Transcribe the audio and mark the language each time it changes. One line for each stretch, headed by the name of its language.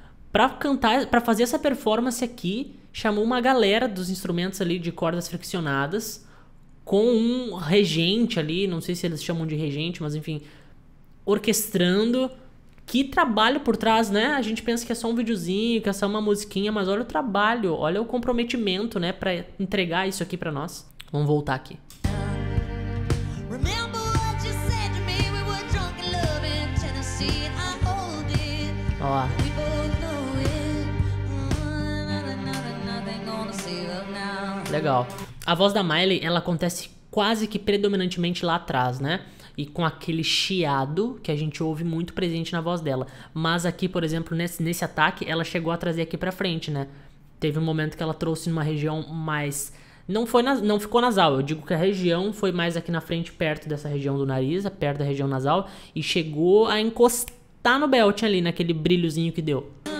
Portuguese: Pra cantar, pra fazer essa performance aqui, chamou uma galera dos instrumentos ali de cordas friccionadas com um regente ali, não sei se eles chamam de regente, mas enfim, orquestrando. Que trabalho por trás, né? A gente pensa que é só um videozinho, que é só uma musiquinha, mas olha o trabalho, olha o comprometimento, né, pra entregar isso aqui pra nós. Vamos voltar aqui.
English: Remember what you said to me? We were drunk in love in Tennessee. I hold it.
Portuguese: Ó.
English: We both know it. Nothing, nothing, nothing gonna save us now.
Portuguese: Legal. A voz da Miley, ela acontece quase que predominantemente lá atrás, né? E com aquele chiado que a gente ouve muito presente na voz dela. Mas aqui, por exemplo, nesse ataque, ela chegou a trazer aqui pra frente, né? Teve um momento que ela trouxe numa região mais. Não foi na, não ficou nasal, eu digo que a região foi mais aqui na frente, perto dessa região do nariz, perto da região nasal, e chegou a encostar no belt ali, naquele brilhozinho que deu.